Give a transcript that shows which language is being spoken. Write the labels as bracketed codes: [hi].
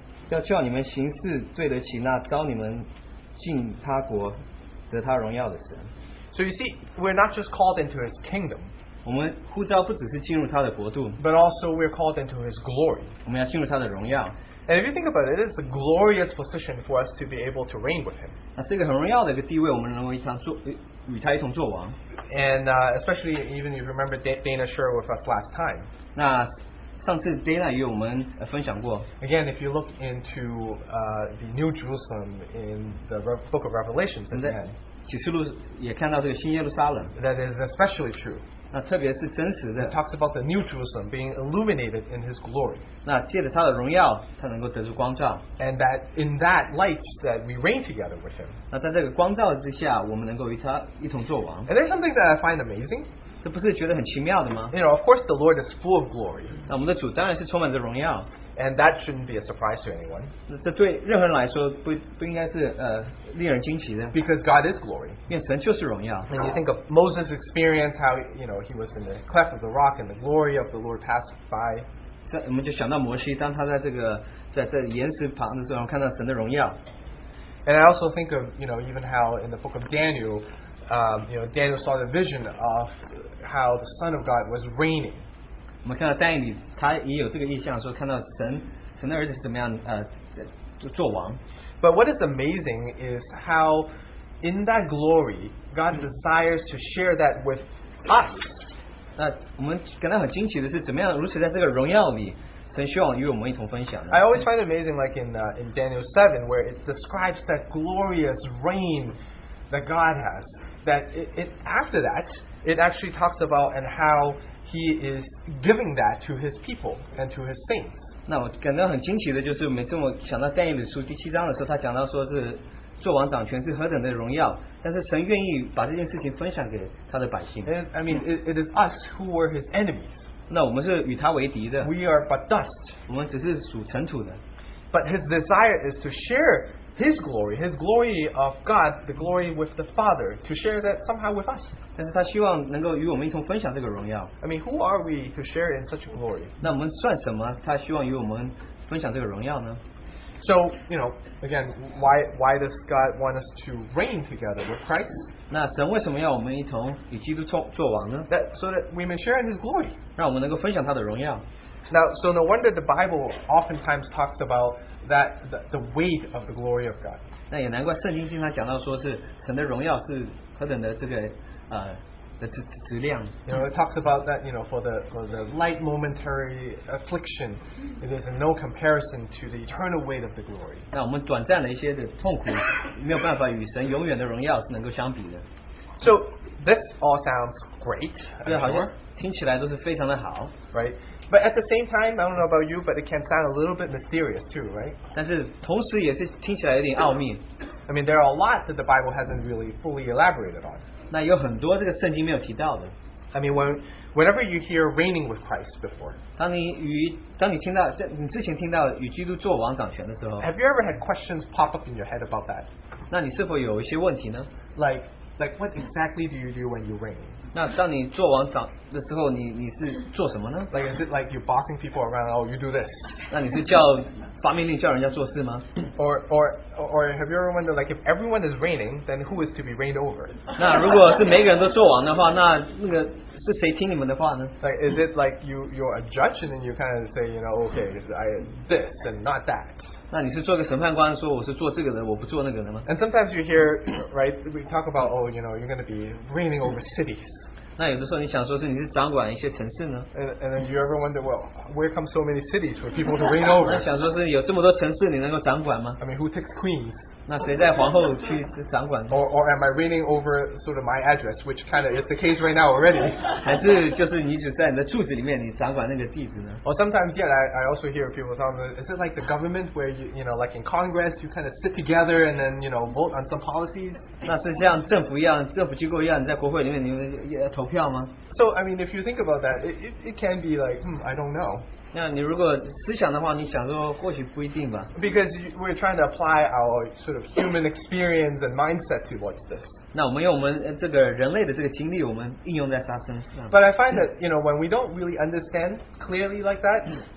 [zh] 要叫你们行事对得起那招你们进他国得他荣耀的神。 [en] So you see, we're not just called into His kingdom, [zh] 我们呼召不只是进入他的国度， [en] but also we're called into His glory. [zh] 我们要进入他的荣耀。 [en] And if you think about it, it's a glorious position for us to be able to reign with Him. [zh] 那是一个很荣耀的一个地位， 我们能够与他一同作王。 [en] And especially even if you remember Dana shared with us last time, [zh] 那 上次Dana与我们分享过。 [en] Again, if you look into the New Jerusalem in the book of Revelations, again, [zh] 启示录也看到这个新耶路撒冷。 [en] That is especially true. [zh] 那特别是真实的。 [en] It talks about the New Jerusalem being illuminated in His glory. [zh] 那借着他的荣耀，他能够得出光照。 [en] And that in that light that we reign together with Him. [zh] 那在这个光照之下，我们能够与他一同作王。 [en] And there's something that I find amazing. [zh] 这不是觉得很奇妙的吗？ [en] You know, of course the Lord is full of glory. [zh] 那我们的主当然是充满着荣耀。 [en] And that shouldn't be a surprise to anyone. [zh] 这对任何人来说不应该是令人惊奇的。 [en] Because God is glory. [zh] 因为神就是荣耀。 [en] And you think of Moses' experience, how, you know, he was in the cleft of the rock and the glory of the Lord passed by. [zh] 我们就想到摩西，当他在岩石旁的时候，看到神的荣耀。 [en] And I also think of, you know, even how in the book of Daniel, you know, Daniel saw the vision of how the Son of God was reigning. [zh] 我们看到丹尼，他也有这个意象，说看到神的儿子是怎么样， [en] exalted. [zh] 做王. [en] But what is amazing is how in that glory, God desires to share that with us. [zh] 那我们感到很惊奇的是, 怎么样如此在这个荣耀里, 神希望与我们一同分享, [en] I always find it amazing, like in Daniel 7, where it describes that glorious reign that God has, that it after that, it actually talks about and how he is giving that to his people and to his saints. [zh] 那我感到很惊奇的就是每次我想到但以理书第七章的时候他讲到说是 做王掌权是何等的荣耀, 但是神愿意把这件事情分享给他的百姓。 [en] I mean, it is us who were his enemies. [zh] 那我们是与他为敌的。 [en] We are but dust. [zh] 我们只是属尘土的。 [en] But his desire is to share his glory of God, the glory with the Father, to share that somehow with us. [zh] 但是他希望能够与我们一同分享这个荣耀。 [en] I mean, who are we to share in such glory? [zh] 那我们算什么? 他希望与我们分享这个荣耀呢? [en] So, you know, again, why does God want us to reign together with Christ? [zh] 那神为什么要我们一同与基督做王呢? [en] That, so that we may share in his glory. [zh] 让我们能够分享他的荣耀。 [en] Now, so no wonder the Bible oftentimes talks about that the weight of the glory of God. [zh] 那也难怪圣经经常讲到说是神的荣耀是何等的这个, [en] You know, it talks about that, you know, for the light momentary affliction, there's no comparison to the eternal weight of the glory. So, this all sounds great. Right? But at the same time, I don't know about you, but it can sound a little bit mysterious too, right? I mean, there are a lot that the Bible hasn't really fully elaborated on. I mean, whenever you hear reigning with Christ before, [zh] 当你之前听到与基督做王掌权的时候, [en] have you ever had questions pop up in your head about that? [zh] 那你是否有一些问题呢? [en] Like what exactly do you do when you reign? [zh] 那当你做王掌的时候你是做什么呢? [en] Like, is it like you're bossing people around, oh, you do this? [zh] 那你是叫发命令叫人家做事吗? [en] Or have you ever wondered, like, if everyone is reigning, then who is to be reigned over? [zh] 那如果是每个人都做王的话, 那个是谁听你们的话呢? [en] Like, is it like you're a judge and then you kind of say, you know, okay, this and not that? [zh] 那你是做个审判官说我是做这个的我不做那个的吗? [en] And sometimes you hear, right, we talk about, oh, you know, you're going to be reigning over cities. [zh] 那有的时候你想说是你是掌管一些城市呢? [en] And then you ever wonder, well, where come so many cities for people to reign over? [zh] 那想说是有这么多城市你能够掌管吗? [en] I mean, who takes queens? [zh] 那谁在皇后去掌管呢? [en] Or am I reigning over sort of my address, which kind of is the case right now already? [zh] 还是就是你只在你的住址里面你掌管那个地址呢? [en] Or sometimes, yeah, I also hear people tell me, is it like the government where, you know, like in Congress, you kind of sit together and then, you know, vote on some policies? [zh] 那是像政府一样,政府机构一样,你在国会里面你投票吗? [en] So, I mean, if you think about that, it can be like, I don't know. [zh] 那你如果思想的话,你想说或许不一定吧? [en] Because we're trying to apply our sort of human experience and mindset towards this. [zh] 那我们用我们这个人类的这个经历,我们应用在他身上。 [en] But I find that, you know, when we don't really understand clearly like that,